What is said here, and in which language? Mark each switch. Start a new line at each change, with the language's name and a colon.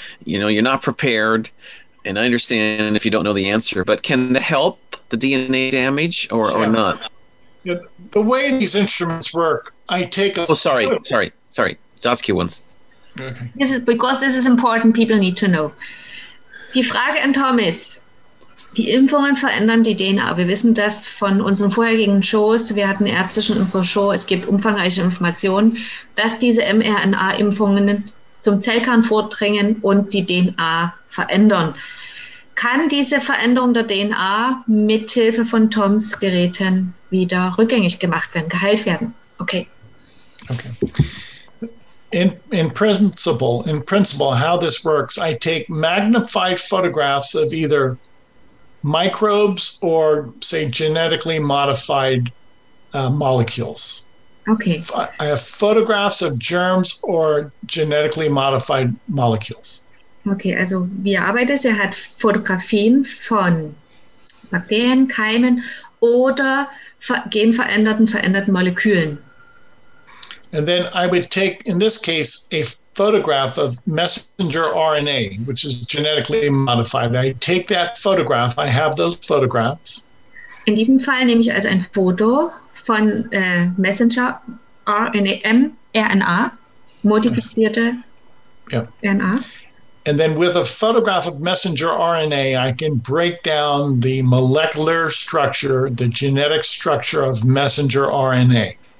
English: You know, you're not prepared, and I understand if you don't know the answer, but can they help the DNA damage or not? Yeah, the way these instruments work, I take a sorry. Saskia wants. Okay. This is because this is important, people need to know.
German: Die Frage an Tom ist, die Impfungen verändern die DNA. Wir wissen das von unseren vorherigen Shows. Wir hatten Ärzte schon in unserer Show. Es gibt umfangreiche Informationen, dass diese mRNA-Impfungen zum Zellkern vordringen und die DNA verändern. Kann diese Veränderung der DNA mithilfe von Toms Geräten wieder rückgängig gemacht werden, geheilt werden? Okay. Okay.
English: In principle, how this works, I take magnified photographs of either microbes or, say, genetically modified molecules. Okay. I have photographs of germs or genetically modified molecules.
German: Okay, also wie er arbeitet, er hat Fotografien von Bakterien, Keimen oder genveränderten Molekülen.
English: And then I would take, in this case, a photograph of messenger RNA, which is genetically modified. I take that photograph. I have those photographs.
German: In diesem Fall nehme ich also ein Foto von messenger RNA. modifizierte RNA.
English: And then with a photograph of messenger RNA, I can break down the molecular structure, the genetic structure of messenger RNA.